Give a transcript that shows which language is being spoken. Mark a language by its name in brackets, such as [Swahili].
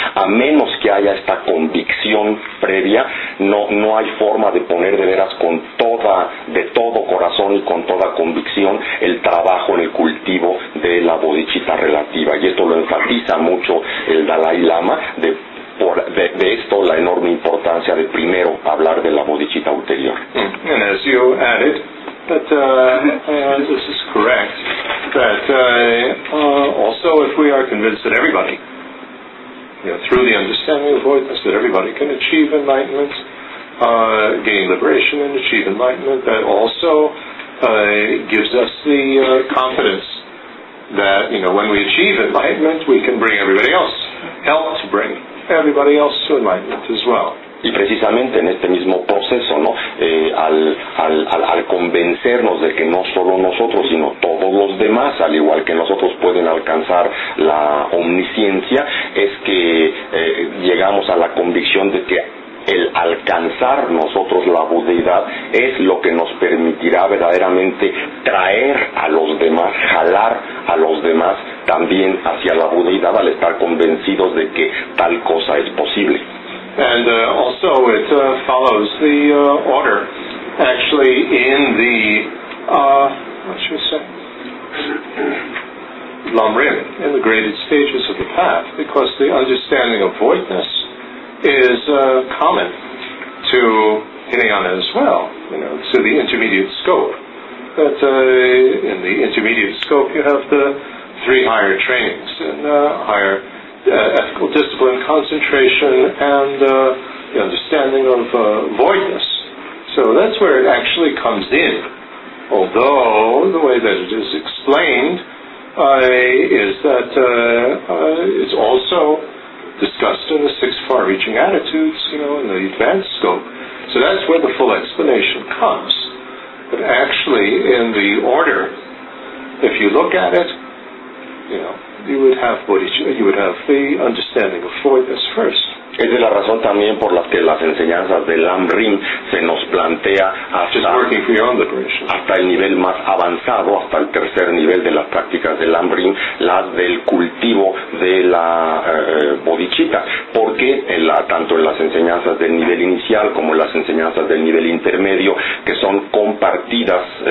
[Spanish] A menos que haya esta convicción previa, no hay forma de poner de veras de todo corazón y con toda convicción el trabajo en el cultivo de la bodichitta relativa. Y esto lo enfatiza mucho el Dalai Lama, de esto la enorme importancia de primero hablar de la bodichitta ulterior. [English] And as you added, that this is correct, that also if we are convinced that everybody, you know, through the understanding of voidness, that everybody can achieve enlightenment, gain liberation and achieve enlightenment, that also gives us the confidence that, you know, when we achieve enlightenment, we can bring everybody else, help to bring everybody else to enlightenment as well. [Spanish] Y precisamente en este mismo proceso, ¿no? Al convencernos de que no solo nosotros, sino todos los demás, al igual que nosotros, pueden alcanzar la omnisciencia, es que llegamos a la convicción de que el alcanzar nosotros la budeidad es lo que nos permitirá verdaderamente traer a los demás, jalar a los demás también hacia la budeidad, al estar convencidos de que tal cosa es posible. [English] And also it follows the order, actually, in the, Lamrim, in the graded stages of the path, because the understanding of voidness is common to Hinayana as well, you know, to the intermediate scope. But in the intermediate scope you have the three higher trainings and higher ethical discipline, concentration, and the understanding of voidness. So that's where it actually comes in. Although, the way that it is explained is that it's also discussed in the six far-reaching attitudes, you know, in the advanced scope. So that's where the full explanation comes. But actually, in the order, if you look at it, you know, you would have the understanding of four of this first. [Spanish] Esa es la razón también por la que las enseñanzas de Lam Rim se nos plantea hasta el nivel más avanzado, hasta el tercer nivel de las prácticas de Lam Rim, las del cultivo de la bodichita, porque tanto en las enseñanzas del nivel inicial como en las enseñanzas del nivel intermedio, que son compartidas